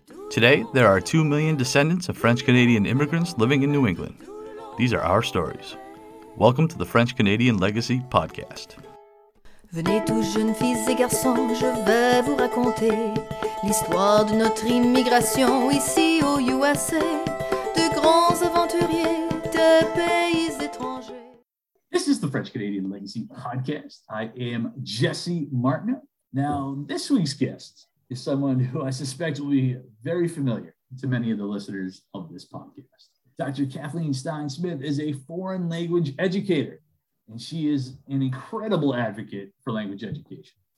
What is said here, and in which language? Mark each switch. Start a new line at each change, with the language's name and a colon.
English: Today, there are 2 million descendants of French-Canadian immigrants living in New England. These are our stories. Welcome to the French-Canadian Legacy Podcast.
French: Venez tous jeunes filles et garçons, je vais vous raconter l'histoire de notre immigration ici aux USA. De grands aventuriers de pays étrangers.
English: This is the French-Canadian Legacy Podcast. I am Jesse Martin. Now, this week's guest is someone who I suspect will be very familiar to many of the listeners of this podcast. Dr. Kathleen Stein-Smith is a foreign language educator, and she is an incredible advocate for language education.